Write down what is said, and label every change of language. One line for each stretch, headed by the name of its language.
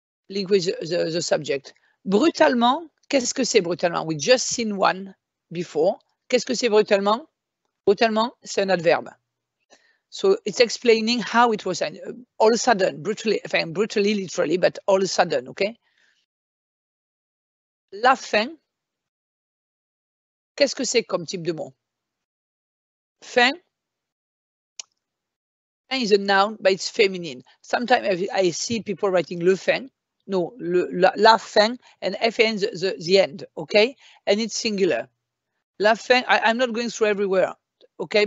English: Link with the subject.
French: Brutalement, qu'est-ce que c'est brutalement?
English: We just seen one before.
French: Qu'est-ce que c'est brutalement? Brutalement, c'est un adverbe.
English: So it's explaining how it was all of a sudden, brutally, enfin, brutally, literally, but all of a sudden, okay?
French: La fin, qu'est-ce que c'est comme type de mot?
English: Fin, fin is a noun, but it's feminine. Sometimes I see people writing le fin, no, le, la fin, and F-N is the end, okay? And it's singular. La fin, I'm not going through everywhere, okay?